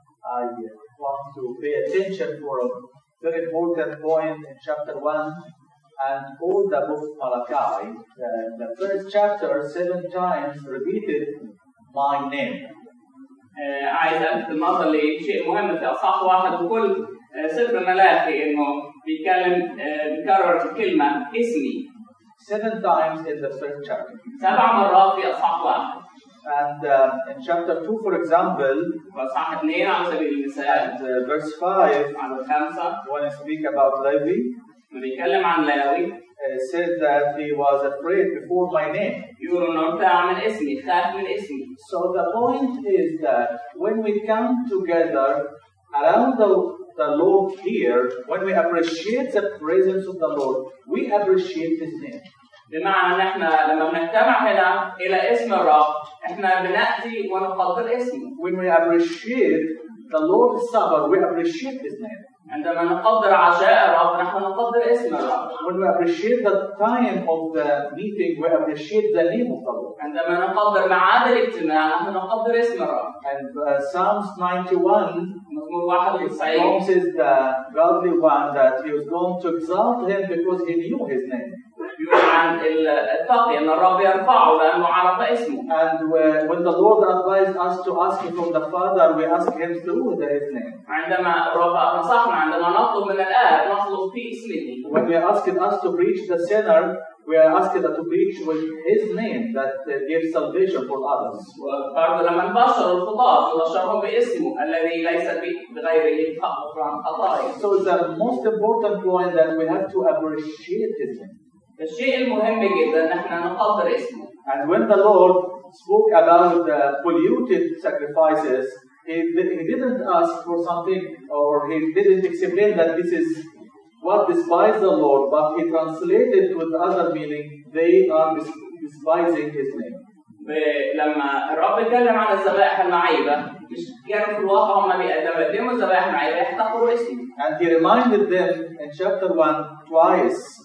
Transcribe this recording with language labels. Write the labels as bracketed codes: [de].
[en] I want to pay attention for a very important point in chapter 1 and all the book of Malachi. The first chapter 7 times repeated my name. [ar] عايز ألفت النظر لشيء مهم في أصحاح 1 بكل سفر ملاخي إنه بيتكلم بيكرر كلمة اسمي. [en] 7 times in the first chapter. [ar] 7 مرات في أصحاح 1. [en] And in chapter 2, for example, [ar] وأصحاح 2 على سبيل المثال. [en] And verse 5, [ar] عدد 5, [en] when I speak about Levi, [ar] بيتكلم عن لاوي. [en] Said that he was afraid before my name. You will not tell me [ar] اسمي, خاف من اسمي. [en] So the point is that when we come together around the Lord here, when we appreciate the presence of the Lord, we appreciate His name. [ar] بمعنى نحن لما بنجتمع هنا إلى اسم الرب إحنا بنأتي ونفضل اسمه. [en] When we appreciate the Lord's Supper, we appreciate His name. [ar] عندما نقدر عشاء الرب نحن نقدر اسم الرب. [en] When we appreciate the time of the meeting, we appreciate the name of the Lord. [ar] عندما نقدر ميعاد الاجتماع نحن نقدر اسم الرب. [en] And Psalms 91, [ar] مزمور 91, [en] promises the godly one that he was going to exalt him because he knew his name. [ar] يعني التقي أن الرب يرفعه لأنه عرف اسمه. [en] And when the Lord advised us to ask Him from the Father, we ask Him through the His name. [ar] عندما الرب نصحنا عندما نطلب من الآب نطلب في اسمه. [en] When He asked us to preach the sinner, we are asked to preach with His name that gives salvation for others. [ar] برضو لما نبشر الخطاة نبشرهم باسمه الذي ليس بغيره خطأ عن خطايا. [en] So the most important point that we have to appreciate His name. [ar] الشيء المهم جدا نحن نقدر اسمه. [en] And when the Lord spoke about the polluted sacrifices, he didn't ask for something or he didn't explain that this is what despised the Lord, but he translated with other meaning they are despising his name. [ar] لما الرب اتكلم عن الذبائح المعيبه مش كانوا في الواقع هم بيقدموا الذبائح المعيبه يحتقروا اسمه. [en] And he reminded them in chapter 1 twice.